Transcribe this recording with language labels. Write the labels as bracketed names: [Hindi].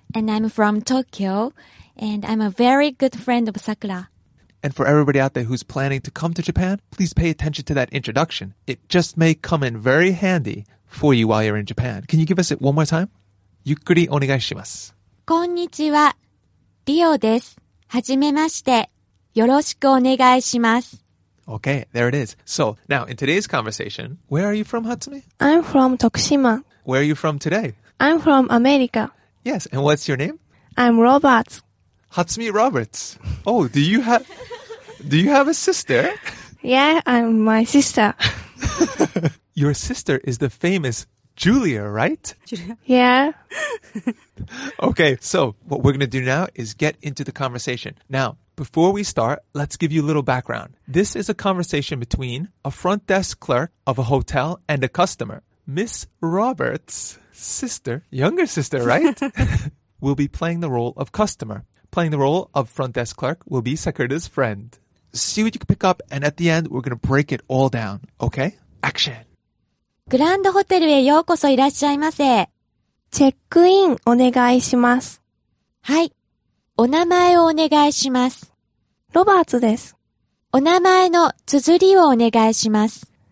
[English] And I'm from Tokyo, and I'm a very good friend of Sakura. And for everybody out there who's planning to come to Japan, please pay attention to that introduction. It just may come in very handy for you while you're in Japan. Can you give us it one more time? [Japanese] ゆっくりお願いします。こんにちは。リオです。はじめまして。よろしくお願いします。 [English] Okay, there it is. So, now, in today's conversation, where are you from, Hatsumi? I'm from Tokushima. Where are you from today? I'm from America. Yes, and what's your name? I'm Roberts. Hatsumi Roberts. Oh, do you have a sister? Yeah, I'm my sister. Your sister is the famous Julia, right? Yeah. Okay, so what we're going to do now is get into the conversation. Now, before we start, let's give you a little background. This is a conversation between a front desk clerk of a hotel and a customer, Miss Roberts. Sister, younger sister, right? will be playing the role of customer. Playing the role of front desk clerk will be Sakura's friend. See what you can pick up, and at the end, we're going to break it all down. Okay? Action! [Japanese] グランドホテルへようこそいらっしゃいませ。チェックインお願いします。はい。お名前をお願いします。ロバーツです。お名前の綴りをお願いします。